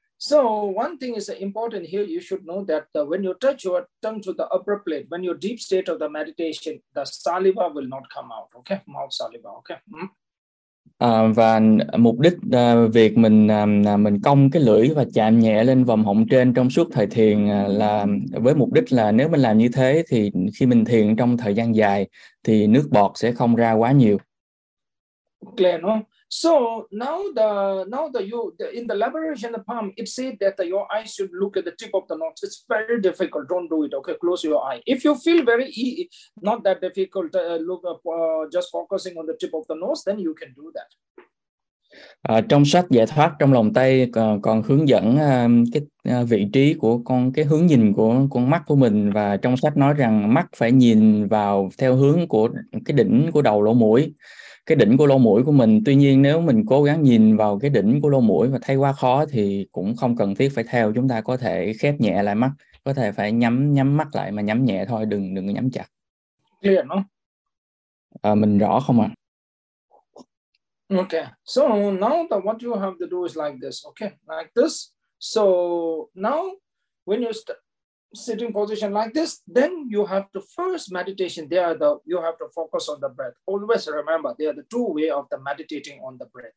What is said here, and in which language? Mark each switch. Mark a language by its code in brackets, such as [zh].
[en] So one thing is important here, you should know that when you touch your tongue to the upper plate, when you're deep state of the meditation, the saliva will not come out, okay? Mouth saliva, okay? [vi] Và mục đích việc mình cong cái lưỡi và chạm nhẹ lên vòm họng trên trong suốt thời thiền là với mục đích là nếu mình làm như thế thì khi mình thiền trong thời gian dài thì nước bọt sẽ không ra quá nhiều. [en] Clear, no? So now in the liberation of the palm, it said that your eyes should look at the tip of the nose. It's very difficult. Don't do it. Okay, close your eye. If you feel very not that difficult, just focusing on the tip of the nose, then you can do that. [vi] Trong sách giải thoát trong lòng tay còn hướng dẫn vị trí của con, cái hướng nhìn của con mắt của mình, và trong sách nói rằng mắt phải nhìn vào theo hướng của cái đỉnh của đầu lỗ mũi. Cái đỉnh của lỗ mũi của mình, tuy nhiên nếu mình cố gắng nhìn vào cái đỉnh của lỗ mũi và thấy quá khó thì cũng không cần thiết phải theo, chúng ta có thể khép nhẹ lại mắt, có thể phải nhắm mắt lại mà nhắm nhẹ thôi, đừng nhắm chặt. [en] Clear [vi] không? Mình rõ không ạ? [en] Okay, so now what you have to do is like this, okay, like this. So now when you sitting position like this, then you have to first meditation. You have to focus on the breath. Always remember, there are the two way of the meditating on the breath.